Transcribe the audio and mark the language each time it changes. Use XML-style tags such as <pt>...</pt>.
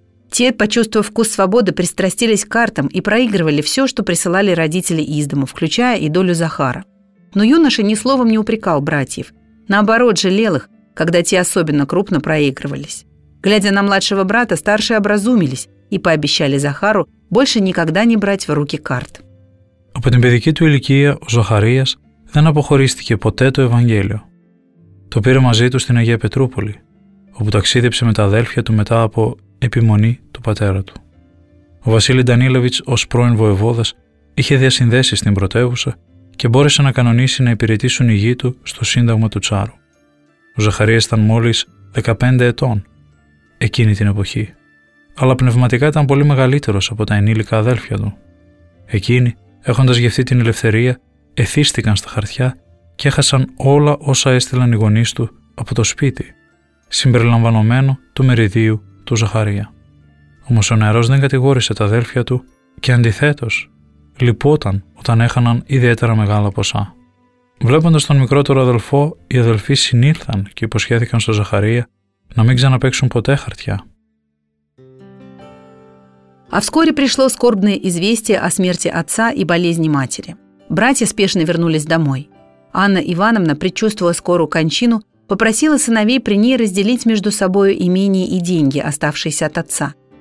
<ru>Те, почувствовав вкус свободы, пристрастились к картам и проигрывали все, что присылали родители из дому, включая и долю Захара. Но юноша ни словом не упрекал братьев. Наоборот, жалел их, когда те особенно крупно проигрывались. Глядя на младшего брата, старшие образумились и пообещали Захару больше никогда не брать в руки карт.</ru> <el>Από την παιδική του ηλικία ο Ζαχαρίας δεν αποχωρίστηκε ποτέ το Ευαγγέλιο. Το πήρε μαζί του στην Αγία Πετρούπολη, όπου ταξίδεψε με τα αδέλφια του μετά από επιμονή του πατέρα του. Ο Βασίλη Ντανίλεβιτς ως πρώην βοεβόδας είχε διασυνδέσει στην πρωτεύουσα και μπόρεσε να κανονίσει να υπηρετήσουν οι γη του στο Σύνταγμα του Τσάρου. Ο Ζαχαρίας ήταν μόλις 15 ετών εκείνη την εποχή, αλλά πνευματικά ήταν πολύ μεγαλύτερος από τα ενήλικα αδέλφια του. Εκείνοι, έχοντας γευθεί την ελευθερία, εθίστηκαν στα χαρτιά και έχασαν όλα όσα έστειλαν οι γονείς του από το σπίτι, συμπεριλαμβανομένου του μεριδίου του Ζαχαρία. Όμως ο νεαρός δεν κατηγόρησε τα αδέλφια του και αντιθέτως, λυπόταν όταν έχαναν ιδιαίτερα μεγάλα ποσά. Βλέποντας τον μικρότερο αδελφό, οι αδελφοί συνήλθαν και υποσχέθηκαν στον Ζαχαρία να μην ξαναπαίξουν ποτέ χαρτιά.</el> <ru>А вскоре пришло скорбное известие о смерти отца и болезни матери. Братья спешно вернулись домой. Анна Ивановна, предчувствуя скорую кончину, попросила сыновей при ней разделить между собою имение и деньги, оставшиеся от отца.</ru>